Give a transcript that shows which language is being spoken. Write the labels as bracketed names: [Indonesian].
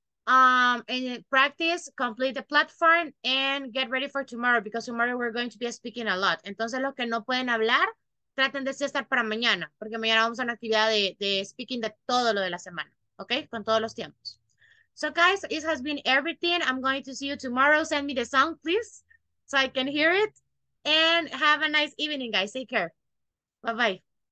[English] And practice, complete the platform, and get ready for tomorrow, because tomorrow we're going to be speaking a lot. [Spanish] Entonces, los que no pueden hablar, traten de estar para mañana, porque mañana vamos a una actividad de speaking de todo lo de la semana, okay? Con todos los tiempos. [English] So, guys, this has been everything. I'm going to see you tomorrow. Send me the song, please, so I can hear it. And have a nice evening, guys. Take care. Bye-bye.